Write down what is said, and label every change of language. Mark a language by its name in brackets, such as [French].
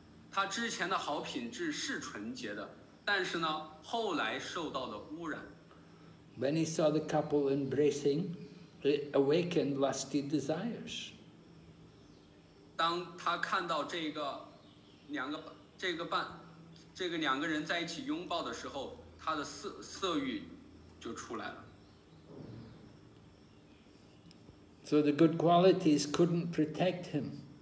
[Chinese] 他之前的好品质是纯洁的，但是呢，后来受到了污染。 [English] When he saw the couple embracing, it awakened lusty desires. [Chinese] 当他看到这个两个这个伴这个两个人在一起拥抱的时候，他的色欲就出来了。 [English] So the good qualities couldn't protect him.